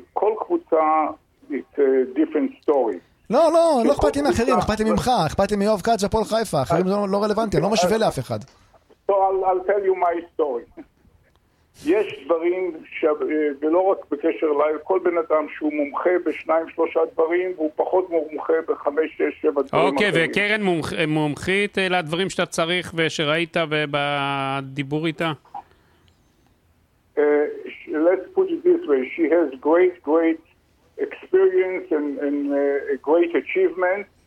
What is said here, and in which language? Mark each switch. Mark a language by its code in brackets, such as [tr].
[he] כל קבוצה, [en] it's a different story. [he] לא אכפת לי מאחרים, אכפת לי ממך, אכפת לי מיוב קאץ' ופול חיפה, אחרים זה לא רלוונטי, אני לא משווה לאף אחד. [en] So I'll tell you my story. [he] יש דברים ולא רק בקשר אליי, כל בן אדם שהוא מומחה בשניים שלושה דברים והוא פחות מומחה בחמש, שש, שבע דברים אחרים. אוקיי, וקרן מומחית לדברים שאתה צריך ושראית ובדיבור איתה? [en] Let's put it this way, she has great, great experience and a great achievement.